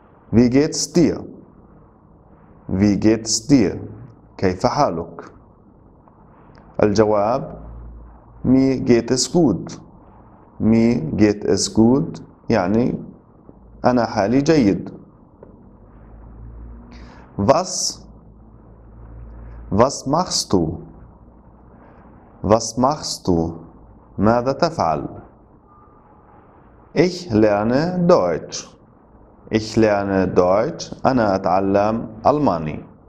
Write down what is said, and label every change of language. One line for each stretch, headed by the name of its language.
German: Wie geht's dir؟ Wie geht's dir؟
Arabic: كيف حالك؟ الجواب
German: Mi geht es gut. Mi geht es gut
Arabic: يعني أنا حالي جيد.
German: Was؟ Was machst du؟ Was machst du؟
Arabic: ماذا تفعل؟
German: Ich lerne Deutsch. Ich lerne Deutsch.
Arabic: أنا أتعلم ألماني.